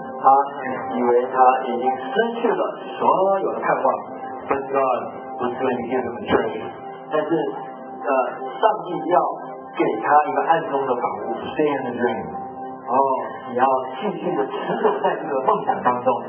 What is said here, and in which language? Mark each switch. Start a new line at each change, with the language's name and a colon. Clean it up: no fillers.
Chinese: 他以为他已经失去了所有的盼望。
English: But God was going to give him a treasure.
Chinese: 但是，上帝要给他一个暗中的宝物。
English: Stay in the dream.
Chinese: 哦，你要继续的持守在这个梦想当中。